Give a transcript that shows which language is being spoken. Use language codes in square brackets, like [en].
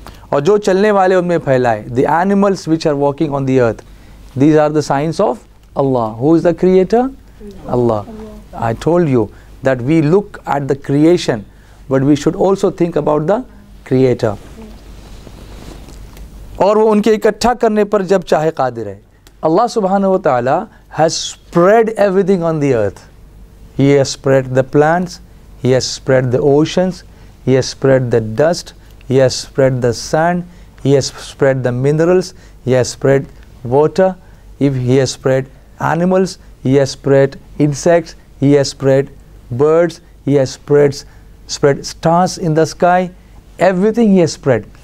[ur] اور جو چلنے والے ان میں پھیلائے, [en] the animals which are walking on the earth. These are the signs of Allah. Who is the creator? Allah. I told you that we look at the creation, but we should also think about the creator. [ur] اور وہ ان کے اکٹھا کرنے پر جب چاہے قادر ہے. [en] Allah subhanahu wa ta'ala has spread everything on the earth. He has spread the plants, He has spread the oceans, He has spread the dust, He has spread the sand, He has spread the minerals, He has spread water, if He has spread animals, He has spread insects, He has spread birds, He has spread stars in the sky, everything He has spread.